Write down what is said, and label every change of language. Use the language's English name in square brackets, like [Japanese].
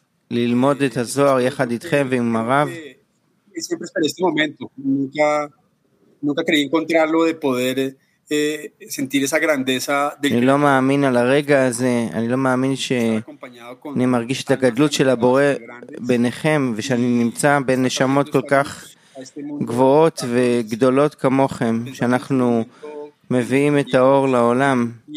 [Hebrew] ללמוד את הזוהר יחד איתכם ועם הרב. [Spanish] Siempre esperé este momento. Nunca creí encontrarlo de poder sentir esa grandeza del [Hebrew] אני לא מאמין על הרגע הזה, אני לא מאמין שאני מרגיש את הגדלות של הבורא ביניכם ושאני נמצא בין נשמות כל כך גבוהות וגדולות כמוכם, שאנחנו מביאים את האור לעולם.